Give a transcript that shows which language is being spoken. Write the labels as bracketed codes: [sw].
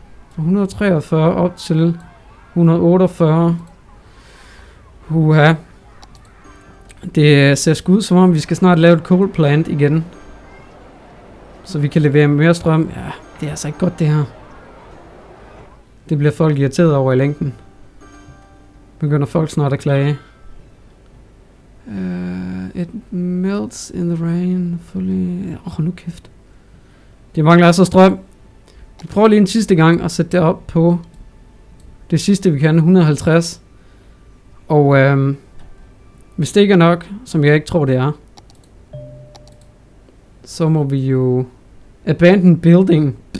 [da] Fra 143 op til 148. Huha. Det ser sgu ud som om, vi skal snart lave et coal plant igen. Så vi kan levere mere strøm. Ja, det er altså ikke godt det her. Det bliver folk irriteret over i længden. Begynder folk snart at klage. [en] It melts in the rain fully. [da] Åh, nu kæft. Det mangler altså strøm. Vi prøver lige en sidste gang at sætte det op på det sidste vi kan, 150. Og hvis det ikke er nok, som jeg ikke tror det er, så må vi jo [en] abandon building.